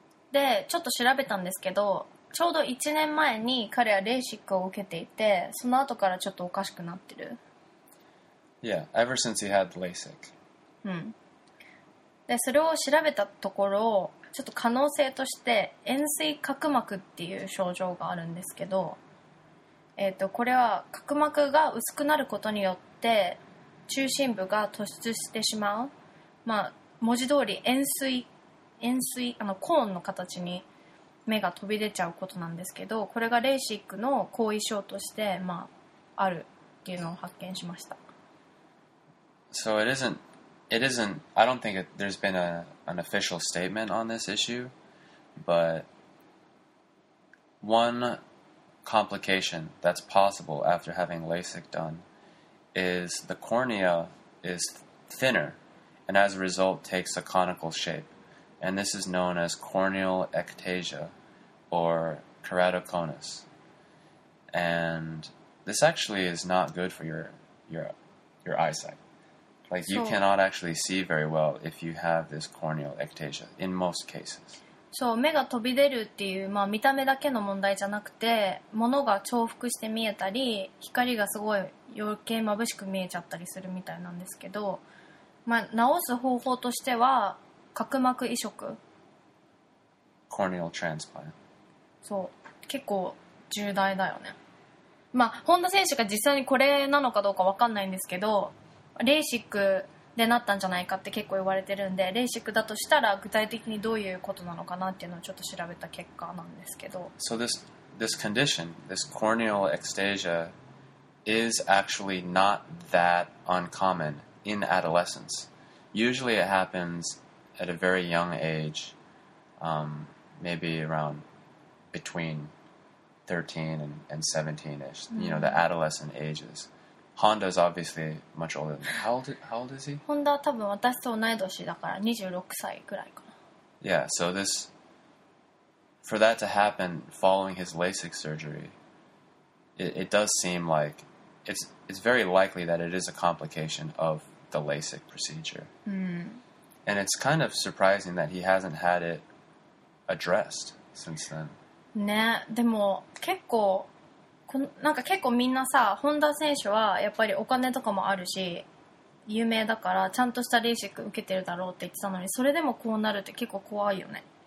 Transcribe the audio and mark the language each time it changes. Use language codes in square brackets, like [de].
[ja] で、ちょっと調べたんですけど、ちょうど1年前に彼はレーシックを受けていて、その後からちょっとおかしくなってる。 [en] Yeah, ever since he had LASIK. [ja] で、それを調べたところ、ちょっと可能性として、円錐角膜っていう症状があるんですけど、これは角膜が薄くなることによって、中心部が突出してしまう。まあ、文字通り円錐、あのコーンの形に目が飛び出ちゃうことなんですけど、これがレーシックの後遺症として、まあ、あるっていうのを発見しました。 [en] So it isn't, I don't think there's been an official statement on this issue, but one complication that's possible after having LASIK done is the cornea is thinner and as a result takes a conical shape. And this is known as corneal ectasia or keratoconus. And this actually is not good for your eyesight. Like, you cannot actually see very well if you have this corneal ectasia, in most cases. [ja] そう、目が飛び出るっていう、まあ見た目だけの問題じゃなくて、物が重複して見えたり、光がすごい余計眩しく見えちゃったりするみたいなんですけど、まあ治す方法としては、角膜移植。 [en] Corneal transplant. [ja] そう、結構重大だよね。まあ、本田選手が実際にこれなのかどうかわかんないんですけど、レーシックでなったんじゃないかって結構言われてるんで、レーシックだとしたら具体的にどういうことなのかなっていうのをちょっと調べた結果なんですけど。 [en] So this condition, this corneal ectasia, is actually not that uncommon in adolescence. Usually it happens at a very young age, maybe around between 13 and 17-ish, you know, the adolescent ages. Honda is obviously much older than how old is he? [ja] Honda は多分私と同い年だから26歳ぐらいかな。 [en] Yeah, so this... For that to happen following his LASIK surgery, it does seem like... It's very likely that it is a complication of the LASIK procedure. And it's kind of surprising that he hasn't had it addressed since then. [ja] ね、でも結構なんか結構みんなさ、本田選手はやっぱりお金とかもあるし有名だからちゃんとしたレーシック受けてるだろうって言ってたのに、それでもこうなるって結構怖いよね。